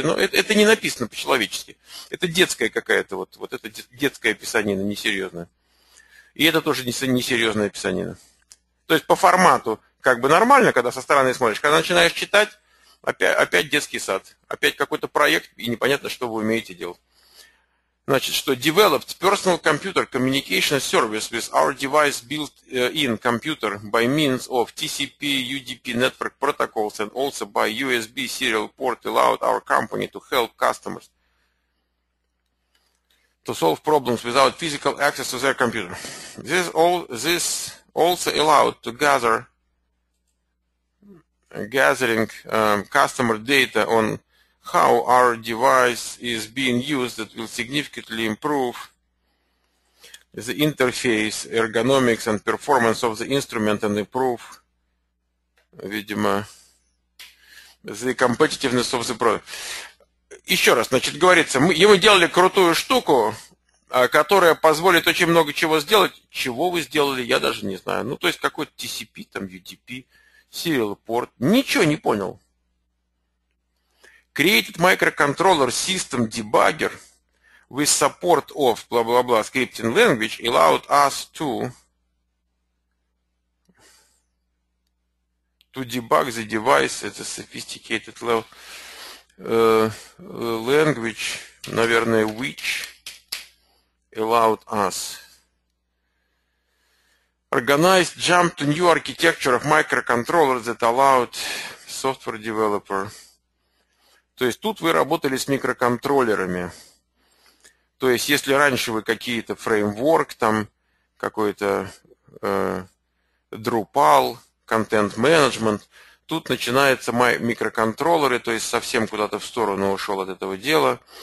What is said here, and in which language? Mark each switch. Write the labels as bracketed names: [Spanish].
[Russian] Но это не написано по-человечески. Это детская какая-то, вот это детская писанина, несерьезная. И это тоже несерьезная писанина. То есть по формату как бы нормально, когда со стороны смотришь, когда начинаешь читать, опять детский сад, опять какой-то проект, и непонятно, что вы умеете делать. Значит, что [English] developed personal computer communication service with our device built in computer by means of TCP UDP network protocols and also by USB serial port allowed our company to help customers to solve problems without physical access to their computer. This also allowed to gathering customer data on how our device is being used that will significantly improve the interface, ergonomics and performance of the instrument and improve, [Russian] видимо, [English] the competitiveness of the product. [Russian] Еще раз, значит, говорится, мы делали крутую штуку, которая позволит очень много чего сделать. Чего вы сделали, я даже не знаю. Ну, то есть, какой-то TCP, там, UDP, serial port, ничего не понял. [English] Created microcontroller system debugger with support of blah-blah-blah scripting language allowed us to debug the device at a sophisticated level language, [Russian] наверное, [English] which allowed us organized jump to new architecture of microcontroller that allowed software developer. [Russian] То есть тут вы работали с микроконтроллерами. То есть если раньше вы какие-то фреймворк, там какой-то Drupal, контент менеджмент, тут начинаются микроконтроллеры, то есть совсем куда-то в сторону ушел от этого дела.